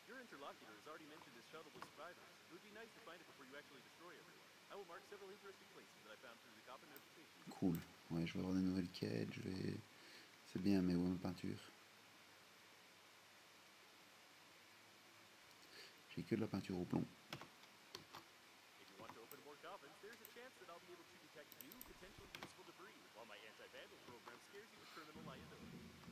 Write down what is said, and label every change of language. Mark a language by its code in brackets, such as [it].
[en] interlocutor has already mentioned this shuttle with survivors. It would be nice to find it before you actually destroy everyone. I will mark several interesting places that I found through the copper notification. Cool. [fr] Ouais, je vais avoir des nouvelles quêtes, je vais... C'est bien, mais où est ma peinture? J'ai que de la peinture au plomb. [en] If you want to open more coffins, there's a chance that I'll be able to detect new, potentially useful debris, while my anti-vandal program scares you with criminal liability.